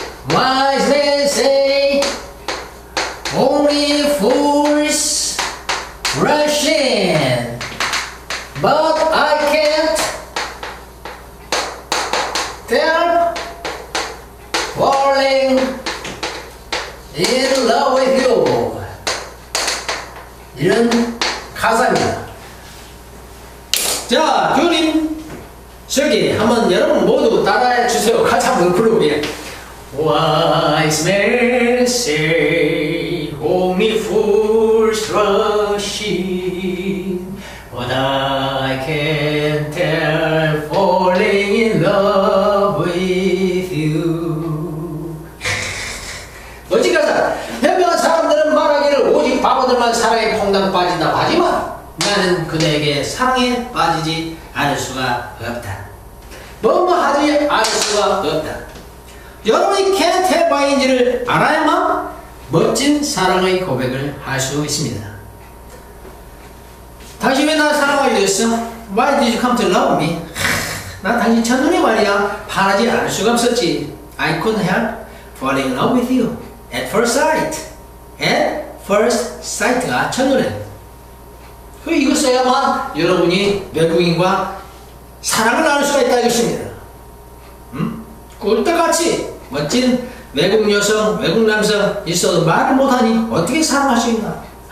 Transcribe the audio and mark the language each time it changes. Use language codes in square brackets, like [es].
[en] Wise men say only fools rush in, but I can't tell falling in love with you. [ko] 이런 가사입니다. 자, 교님, 저기 한번 여러분 모두 따라해 주세요. 같이 한번 불러볼게요. [en] Wise men say only fools rush in, but I can't tell falling in love with you. [ko] 어찌 가사, 현명한 사람들은 말하기를 오직 바보들만 사랑에 퐁당 빠진다 하지만 나는 그대에게 사랑에 빠지지 않을 수가 없다. 뭐하지 않을 수가 없다. 여러분이 캔테바인지를 알아야만 멋진 사랑의 고백을 할 수 있습니다. 당신 왜 나를 사랑하게 되었어? [en] Why did you come to love me? [ko] 나 당신 첫눈에 말이야 바라지 않을 수가 없었지. [en] I couldn't help falling in love with you at first sight. At first sight [ko] 가 첫눈에. 그 이거 써야만 여러분이 외국인과 사랑을 나눌 수가 있다 이것입니다. 꿀떡같이 멋진 외국 여성, 외국 남성 있어도 말을 못하니 어떻게 사랑할 수 있나?